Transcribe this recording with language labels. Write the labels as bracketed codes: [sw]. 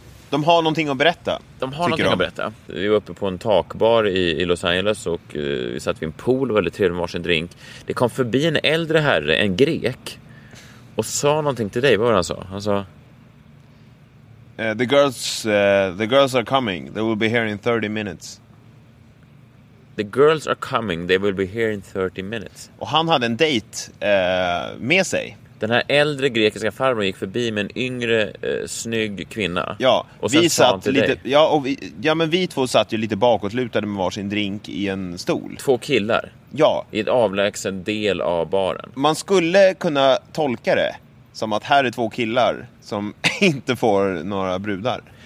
[sv] De har någonting att berätta. De har någonting att berätta. Vi var uppe på en takbar i Los Angeles och vi satt vid en pool och väldigt trevlig varsin drink. Det kom förbi en äldre herre, en grek, och sa någonting till dig. Vad var han sa? Han sa [en] the girls are coming. They will be here in 30 minutes. The girls are coming, they will be here in 30 minutes. [sv] Och han hade en dejt med sig. Den här äldre grekiska farmor gick förbi med en yngre, snygg kvinna. Ja, och vi två satt ju lite bakåtlutade med varsin drink i en stol. Två killar? Ja. I ett avlägsen del av baren. Man skulle kunna tolka det som att här är två killar som inte får några brudar.